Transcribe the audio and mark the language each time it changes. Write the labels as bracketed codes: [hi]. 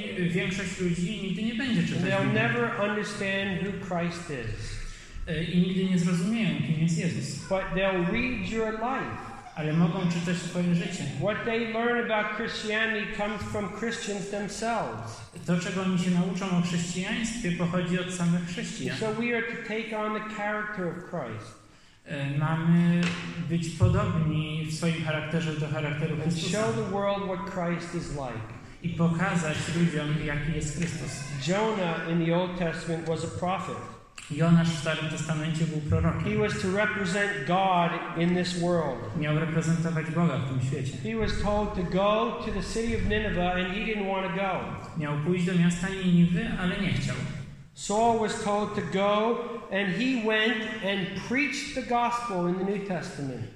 [pl] Większość ludzi nigdy nie będzie czytać Biblii. [en] They'll never understand who Christ is. [pl] I nigdy nie zrozumieją, kim jest Jezus. [en] But they'll read your life. [pl] Ale mogą czytać swoje życie. [en] What they learn about Christianity comes from Christians themselves. [pl] To, czego oni się nauczą o chrześcijaństwie, pochodzi od samych chrześcijan. [en] So we are to take on the character of Christ. [pl] Mamy być podobni w swoim charakterze do charakteru Chrystusa. [en] And show the world what Christ is like. [pl] I pokazać ludziom, jaki jest Chrystus. [en] Jonah in the Old Testament was a prophet. [pl] Jonasz w Starym Testamencie był prorokiem. [en] He was to represent God in this world. [pl] Miał reprezentować Boga w tym świecie. [en] He was told to go to the city of Nineveh and he didn't want to go. [pl] Miał pójść do miasta Niniwy, ale nie chciał. [en] Saul was told to go and he went and preached the gospel in the New Testament.